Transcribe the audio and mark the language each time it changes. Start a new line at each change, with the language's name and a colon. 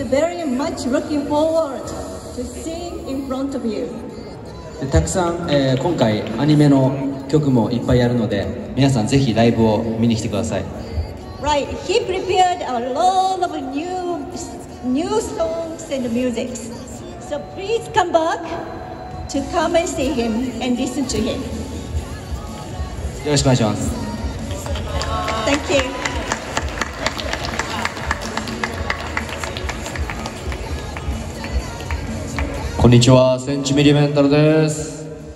English: very much looking forward to seeing in front of you.
Japanese: たくさん、今回アニメの曲もいっぱいやるので、皆さんぜひライブを見に来てください。
English: Right, he prepared a lot of new songs and music. So please come back to come and see him and listen to him.
Japanese: よろしくお願いします。
English: Thank you.
Japanese: こんにちは、センチミリメンタルです。